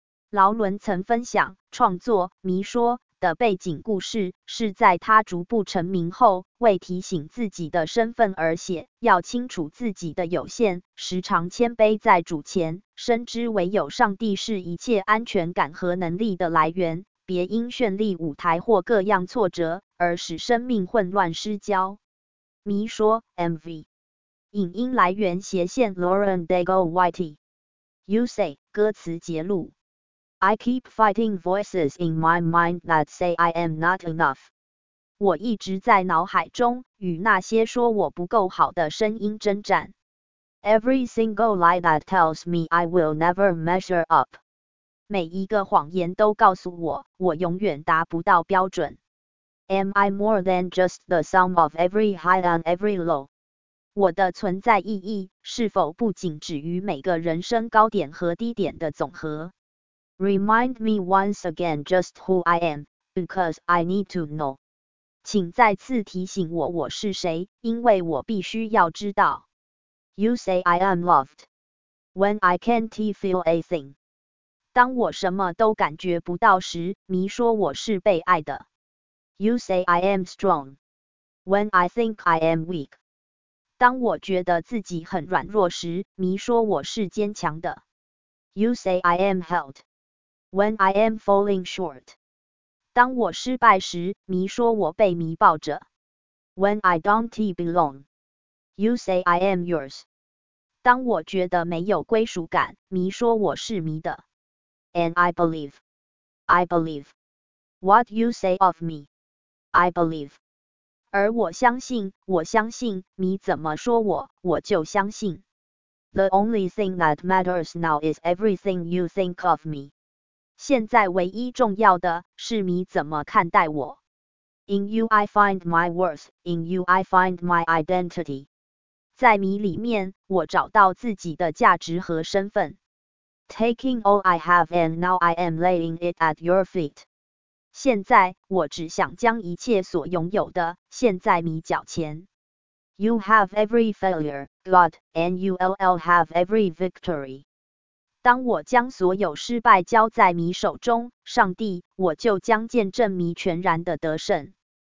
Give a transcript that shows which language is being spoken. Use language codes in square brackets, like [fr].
[zh] 劳伦曾分享，创作《迷说》的背景故事是在他逐步成名后，为提醒自己的身份而写，要清楚自己的有限，时常谦卑在主前，深知唯有上帝是一切安全感和能力的来源，别因绚丽舞台或各样挫折而使生命混乱失焦。迷说 MV 影音来源斜线 Lauren Daigle YT。 [en] You Say 歌词揭露 I keep fighting voices in my mind that say I am not enough， [zh] 我一直在脑海中与那些说我不够好的声音征战。 [en] Every single lie that tells me I will never measure up， [zh] 每一个谎言都告诉我，我永远达不到标准。 [en] Am I more than just the sum of every high and every low？ [zh] 我的存在意义是否不仅止于每个人生高点和低点的总和 ？ [en] Remind me once again just who I am, because I need to know。 [zh] 请再次提醒我我是谁，因为我必须要知道。 [en] You say I am loved when I can't feel a thing。 [zh] 当我什么都感觉不到时，迷说我是被爱的。 [en] You say I am strong when I think I am weak。 [zh] 当我觉得自己很软弱时，迷说我是坚强的。 [en] You say I am held when I am falling short。 [zh] 当我失败时，迷说我被迷抱着。 [en] When I don't belong, you say I am yours。 [zh] 当我觉得没有归属感，迷说我是迷的。 [en] And I believe what you say of me. I believe. [zh] 而我相信，我相信，你怎么说我，我就相信。 [en] The only thing that matters now is everything you think of me. [zh] 现在唯一重要的是你怎么看待我。 [en] In you I find my worth, in you I find my identity. [zh] 在你里面，我找到自己的价值和身份。 [en] Taking all I have and now I am laying it at your feet. [zh] 现在我只想将一切所拥有的献在你脚前。 [en] You have every failure, God, and you will have every victory. [zh] 当我将所有失败交在你手中，上帝，我就将见证你全然的得胜。